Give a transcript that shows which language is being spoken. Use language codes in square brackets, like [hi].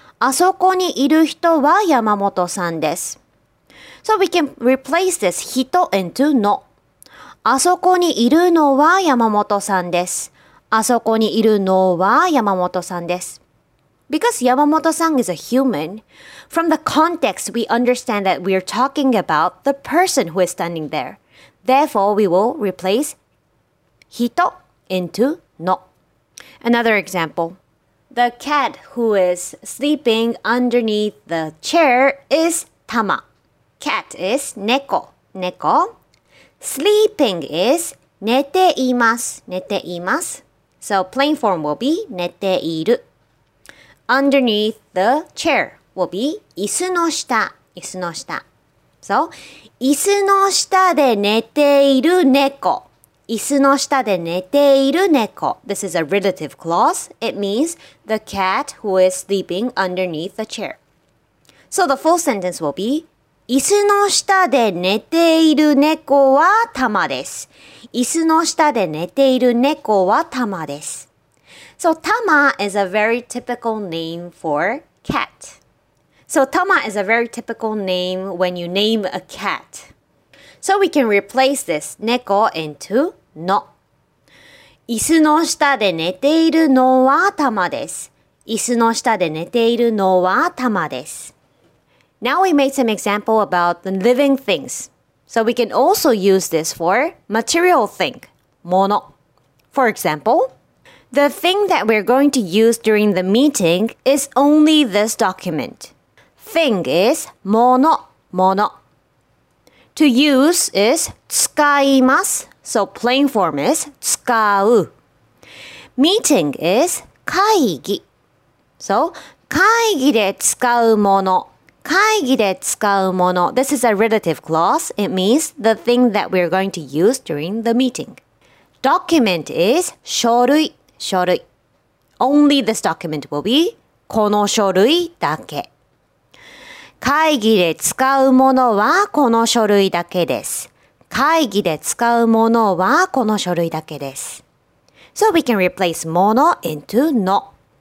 [ja] あそこにいる人は山本さんです。 [en] So we can replace this 人 into の。 [ja] あそこにいるのは山本さんです。あそこにいるのは山本さんです。 [en] Because 山本さん is a human, from the context we understand that we are talking about the person who is standing there. Therefore, we will replace 人 into の。Another example. The cat who is sleeping underneath the chair is たま。 Cat is 猫, 猫.Sleeping is 寝ています, 寝ています. So plain form will be 寝ている.Underneath the chair will be 椅子の下, 椅子の下. [ja] So, 椅子の下で寝ている猫。椅子の下で寝ている猫。 [en] This is a relative clause. It means the cat who is sleeping underneath the chair. [ja] So the full sentence will be 椅子の下で寝ている猫はタマです。椅子の下で寝ている猫はタマです。 [en] So Tama is a very typical name for cat. So Tama is a very typical name when you name a cat. So we can replace this 猫 into の。 [ja] 椅子の下で寝ているのはタマです。椅子の下で寝ているのはタマです。 [en] Now we made some example about the living things. So we can also use this for material thing, もの. For example,The thing that we're going to use during the meeting is only this document. Thing is もの、もの.To use is 使います. So plain form is 使う.Meeting is 会議. [ja] So 会議で使うもの、会議で使うもの. [en] This is a relative clause. It means the thing that we're going to use during the meeting. [ja] Document is 書類。書類 Only this document will be この書類だけ会議で使うものはこの書類だけです会議で使うものはこの書類だけです So we can replace もの into の